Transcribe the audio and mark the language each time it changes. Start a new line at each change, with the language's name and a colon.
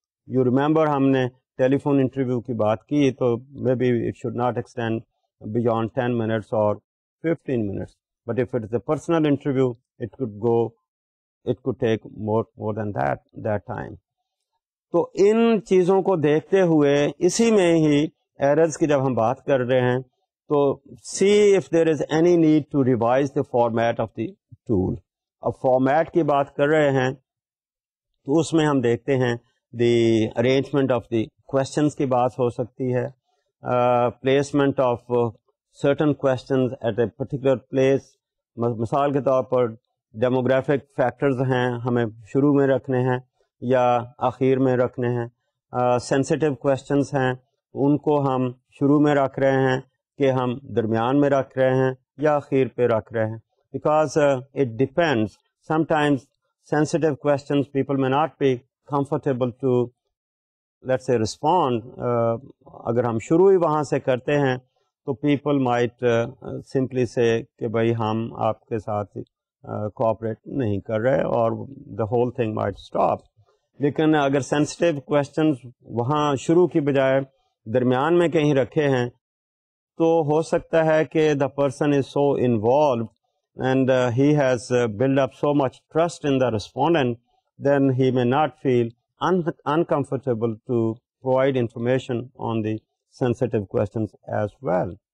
English: You remember
Urdu: humne telephone interview ki baat ki to
English: maybe it should not extend beyond 10 minutes or 15 minutes, but if it is a personal interview, it could take more than that time.
Urdu: تو ان چیزوں کو دیکھتے ہوئے اسی میں ہی errors کی جب ہم بات کر رہے ہیں تو
English: See if there is any need to revise the format of the tool.
Urdu: اب فارمیٹ کی بات کر رہے ہیں تو اس میں ہم دیکھتے ہیں
English: the arrangement of the questions
Urdu: کی بات ہو سکتی ہے,
English: Placement of certain questions at a particular place.
Urdu: مثال کے طور پر demographic factors ہیں ہمیں شروع میں رکھنے ہیں یا آخر میں رکھنے ہیں, sensitive questions ہیں ان کو ہم شروع میں رکھ رہے ہیں کہ ہم درمیان میں رکھ رہے ہیں یا آخر پہ رکھ رہے ہیں,
English: because it depends. Sometimes sensitive questions people may not be comfortable to let's say respond.
Urdu: اگر ہم شروع ہی وہاں سے کرتے ہیں تو
English: people might simply say
Urdu: کہ بھائی ہم آپ کے ساتھ کوآپریٹ نہیں کر رہے اور
English: The whole thing might stop.
Urdu: لیکن اگر سینسٹیو کویشچنز وہاں شروع کی بجائے درمیان میں کہیں رکھے ہیں تو ہو سکتا ہے کہ
English: The person is so involved and he has built up so much trust in the respondent then he may not feel uncomfortable to provide information on the sensitive questions as well.